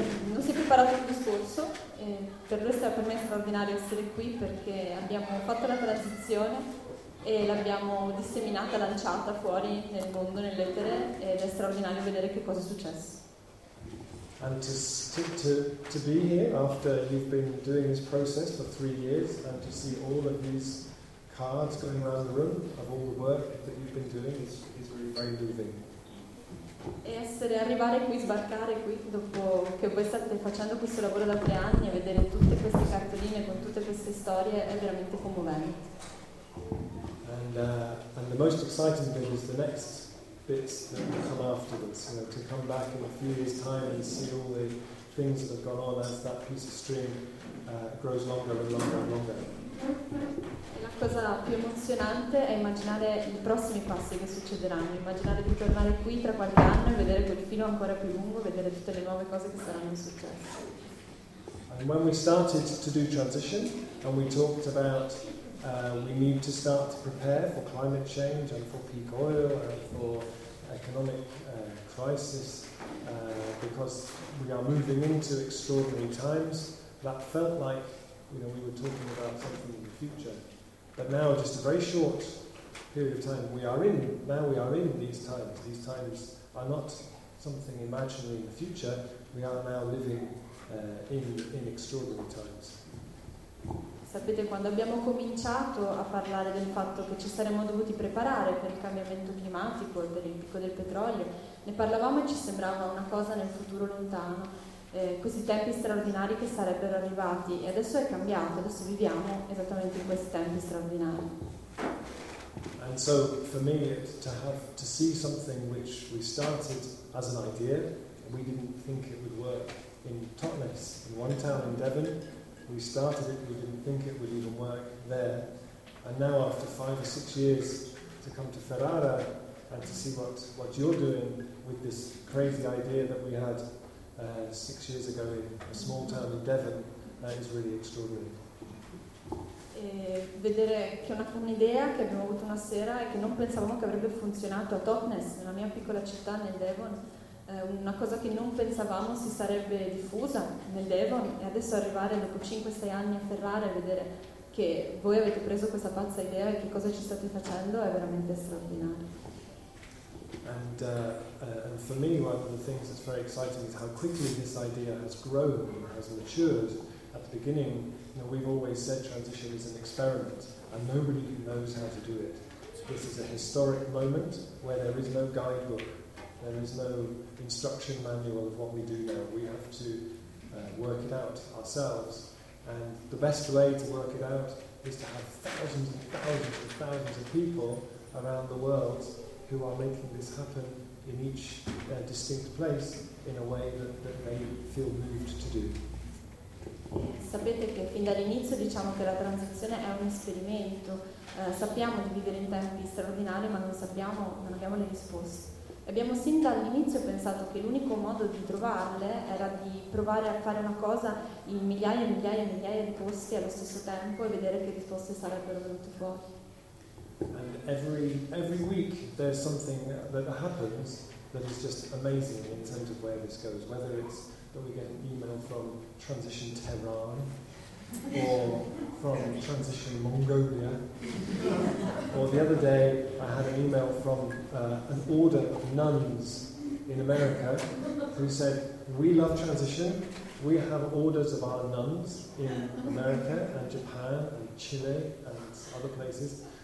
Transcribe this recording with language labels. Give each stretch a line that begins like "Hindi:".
Italian: Non si è preparato il discorso, e per lui è stato per me straordinario essere qui perché abbiamo fatto la transizione e l'abbiamo disseminata, lanciata fuori nel mondo, nell'etere, ed è straordinario vedere che cosa è successo.
English: And to be here after you've been doing this process for 3 years and to see all of these cards going around the room of all the work that you've been doing is really very moving.
Italian: E essere arrivare qui, sbarcare qui dopo che voi state facendo questo lavoro da 3 anni e vedere tutte queste cartoline con tutte queste storie è veramente commovente.
English: And the most exciting thing is the next bits that come afterwards, you know, to come back in a few years' time and see all the things that have gone on as that piece of string grows longer and longer and longer.
Italian: La cosa più emozionante è immaginare i prossimi passi che succederanno, immaginare di tornare qui tra qualche anno e vedere quel filo ancora più lungo, vedere tutte le nuove cose che saranno successe.
English: And when we started to do transition and we talked about we need to start to prepare for climate change and for peak oil and for economic crisis because we are moving into extraordinary times. That felt like, you know, we were talking about something in the future. But now, just a very short period of time, we are in these times. These times are not something imaginary in the future. We are now living in extraordinary times.
Italian: Sapete, quando abbiamo cominciato a parlare del fatto che ci saremmo dovuti preparare per il cambiamento climatico e per il picco del petrolio, ne parlavamo e ci sembrava una cosa nel futuro lontano, questi tempi straordinari che sarebbero arrivati, e adesso è cambiato, adesso viviamo esattamente in questi tempi straordinari.
English: And so for me to see something which we started as an idea, we didn't think it would work in Totnes, in one town in Devon. We started it, we didn't think it would even work there. And now after 5 or 6 years to come to Ferrara and to see what you're doing with this crazy idea that we had 6 years ago in a small town in Devon, that is really extraordinary.
Italian: E vedere che un'idea che abbiamo avuto una sera e che non pensavamo che avrebbe funzionato a Totnes, nella mia piccola città nel Devon, una cosa che non pensavamo si sarebbe diffusa nel Devon, e adesso arrivare dopo 5-6 anni a Ferrara e vedere che voi avete preso questa pazza idea e che cosa ci state facendo è veramente straordinario.
English: And for me one of the things that's very exciting is how quickly this idea has grown, has matured. At the beginning, you know, we've always said transition is an experiment and nobody knows how to do it. This is a historic moment where there is no guidebook. There is no instruction manual of what we do now. We have to work it out ourselves. And the best way to work it out is to have thousands and thousands and thousands of people around the world who are making this happen in each distinct place in a way that they feel moved to do.
Italian: Sapete che fin dall'inizio diciamo che la transizione è un esperimento. Sappiamo di vivere in tempi straordinari, ma non abbiamo le risposte. Abbiamo sin dall'inizio pensato che l'unico modo di trovarle era di provare a fare una cosa in migliaia e migliaia e migliaia di posti allo stesso tempo e vedere che risposte sarebbero venute fuori.
English: And every week there's something that happens that is just amazing in terms of where this goes, whether it's that we get an email from Transition Tehran, or from Transition Mongolia. Or the other day, I had an email from an order of nuns in America who said, we love Transition, we have orders of our nuns in America and Japan and Chile and other places.